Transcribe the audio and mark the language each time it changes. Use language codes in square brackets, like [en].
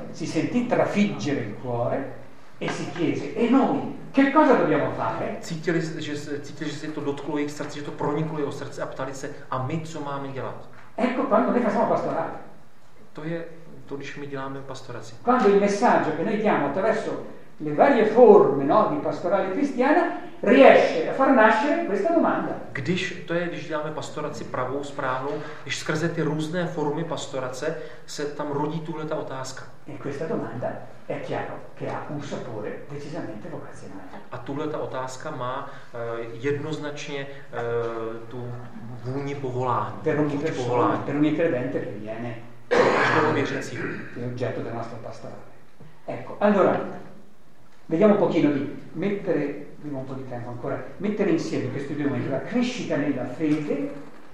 [it] Si sentì trafiggere il cuore e si chiese: "E noi, che cosa dobbiamo fare?" [cs] Cítili, že se to dotklo jejich srdce, že to proniklo jeho srdce a ptali se: "A my co máme dělat?" [it] Ecco quando noi facciamo pastorale. [cs] To je to, když my děláme pastoraci. [it] Quando il messaggio che noi diamo attraverso le varie forme, no, di pastorale cristiana riesce a far nascere questa domanda. [cs] Když to je, když děláme pastoraci pravou, správnou, když skrze ty různé formy pastorace se tam rodí tuhle ta otázka. [it] E questa domanda è chiaro che ha un sapore decisamente vocazionale. [cs] A tuhle ta otázka má jednoznačně tu vůni povolání. [it] Per ogni persona, per ogni credente che viene, [cs] každého věřícího, [it] è oggetto della nostra pastorale. Ecco, allora vediamo un pochino di mettere un po' di tempo ancora mettere insieme questi due momenti, la crescita nella fede